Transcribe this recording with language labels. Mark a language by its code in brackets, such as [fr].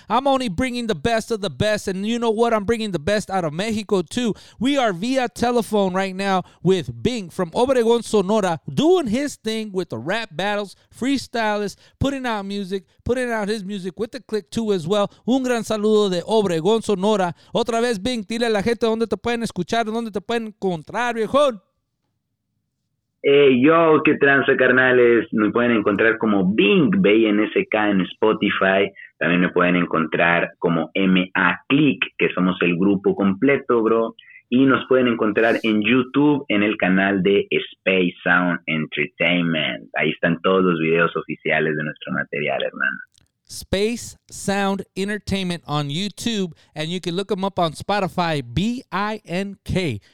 [en] I'm only bringing the best of the best. And you know what? I'm bringing the best out of Mexico, too. We are via telephone right now with Bink from Obregón, Sonora, doing his thing with the rap battles, freestylist, putting out his music with the click, too, as well. [es] Un gran saludo de Obregón, Sonora. Otra vez, Bink, dile a la gente dónde te pueden escuchar, dónde te pueden encontrar, viejón. Hey, yo, qué tranza, carnales. Me pueden encontrar como Bink, B-N-S-K en Spotify. También me pueden encontrar como M-A Click, que somos el grupo completo, bro. Y nos pueden encontrar en YouTube en el canal de Space Sound Entertainment. Ahí están todos los videos oficiales de nuestro material, hermano. [en] Space Sound Entertainment on YouTube, and you can look them up on Spotify, B-I-N-K.